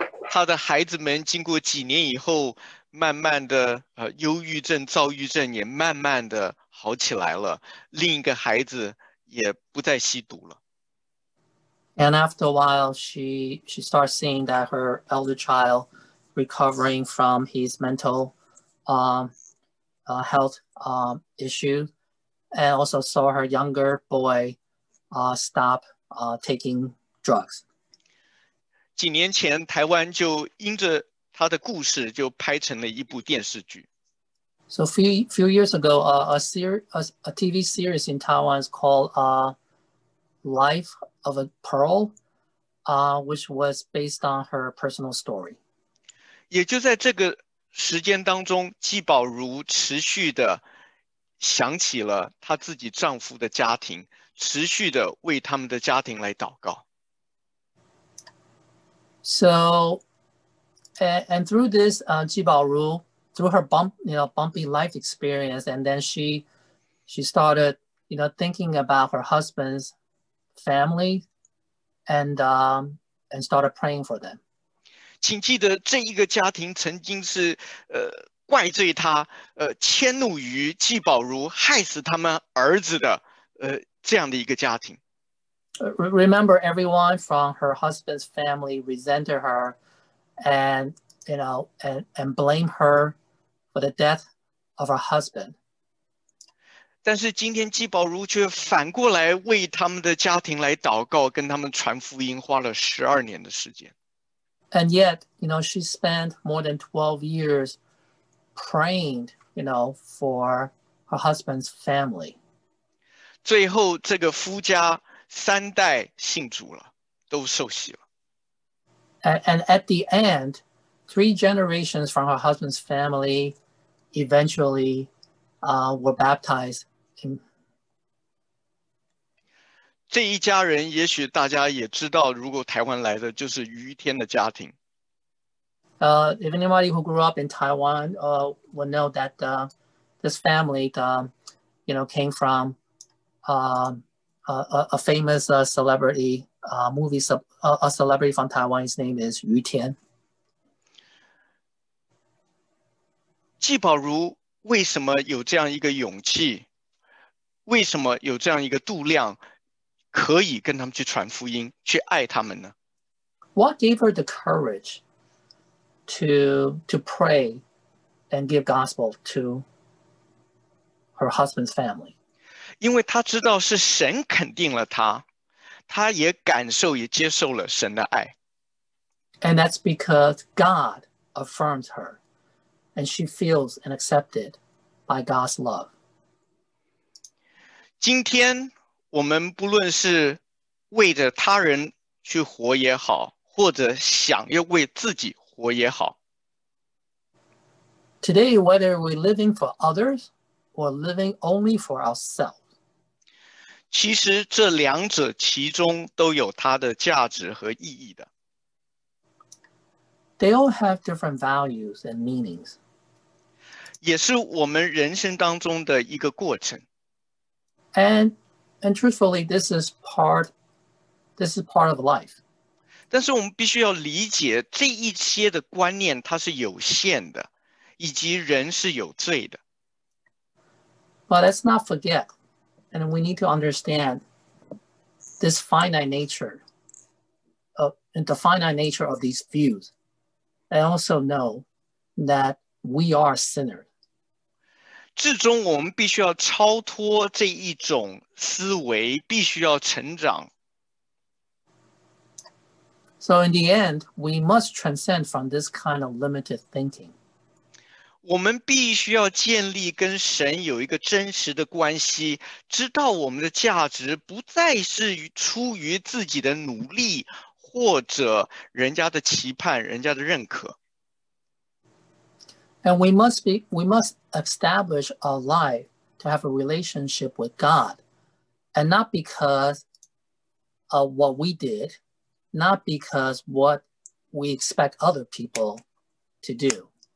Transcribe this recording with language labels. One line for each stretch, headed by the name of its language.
Chinese: 她的孩子们经过几年以后，慢慢的，忧郁症、躁郁症也慢慢的好起来了。另一个孩子也不再吸毒了。
English: And after a while, she starts seeing that her elder child recovering from his mental health issue, and also saw her younger boy stop taking drugs.
Chinese: 几年前，台湾就因着他的故事就拍成了一部电视剧。
English: So few years ago, a TV series in Taiwan is called Life. Of a Pearl, which was based on her personal story.
Chinese: 也就在这个时间当中，纪宝如持续的想起了她自己丈夫的家庭，持续的为他们的家庭来祷告。
English: So, and through this, 纪宝如 through her bumpy life experience, and then she started, you know, thinking about her husband's. Family and started praying for them.
Chinese: 请记得这一个家庭曾经是怪罪他迁怒于纪宝如害死他们儿子的这样的一个家庭。
English: Remember, everyone from her husband's family resented her, and you know, and blame her for the death of her husband.
Chinese: 但是今天纪宝如却反过来为他们的家庭来祷告，跟他们传福音，花了12年的时间。
English: And yet, you know, she spent more than 12 years praying, you know, for her husband's family.
Chinese: 最后这个夫家三代信主了，都受洗了。
English: And at the end, three generations from her husband's family eventually were baptized.
Chinese: 这一家人也许大家也知道，如果台湾来的就是于天的家庭。
English: If anybody who grew up in Taiwan will know that this family, you know, came from a famous celebrity movie, a celebrity from Taiwan. His name is Yu Tian.
Chinese: 纪宝如为什么有这样一个勇气？为什么有这样一个度量，可以跟他们去传福音，去爱他们呢？
English: What gave her the courage to pray and give gospel to her husband's family?
Chinese: 因为他知道是神肯定了他，他也感受也接受了神的爱。
English: And that's because God affirms her, and she feels and accepted by God's love.
Chinese: 今天我们不论是为着他人去活也好，或者想要为自己活也好。
English: Today, whether we're living for others or living only for ourselves,
Chinese: 其实这两者其中都有它的价值和意义的。
English: They all have different values and meanings.
Chinese: 也是我们人生当中的一个过程。
English: And truthfully, this is part of life.
Chinese: 但是我们必须要理解这一些的观念，它是有限的，以及人是有罪的。
English: But let's not forget, and we need to understand this finite nature, and the finite nature of these views. I also know that we are sinners.
Chinese: 至终我们必须要超脱这一种思维，必须要成长。
English: So in the end, we must transcend from this kind of limited thinking.
Chinese: 我们必须要建立跟神有一个真实的关系，知道我们的价值不再是出于自己的努力或者人家的期盼，人家的认可。
English: And we must establish our life to have a relationship with God, and not because of what we did, not because what we expect other people to do.